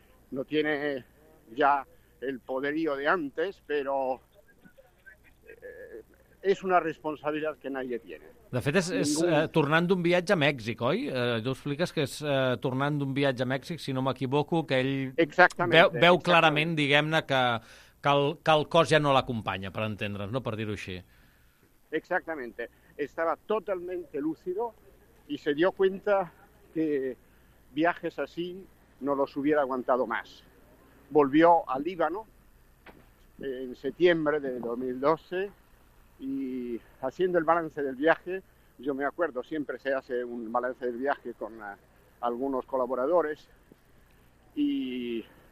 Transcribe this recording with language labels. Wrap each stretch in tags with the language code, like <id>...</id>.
<es>No tiene ya el poderío de antes, pero es una responsabilidad que nadie tiene.</es> <ca>De fet, és tornant d'un viatge a Mèxic, oi? Tu expliques que és tornant d'un viatge a Mèxic, si no m'equivoco, que ell veu clarament, diguem-ne, que el cos ja no l'acompanya, per entendre's, no? Per dir-ho així.</ca> <es>Exactamente. Estaba totalmente lúcido y se dio cuenta que viajes así no los hubiera aguantado más. Volvió al Líbano en septiembre de 2012 y haciendo el balance del viaje, yo me acuerdo, siempre se hace un balance del viaje con algunos colaboradores, y</es>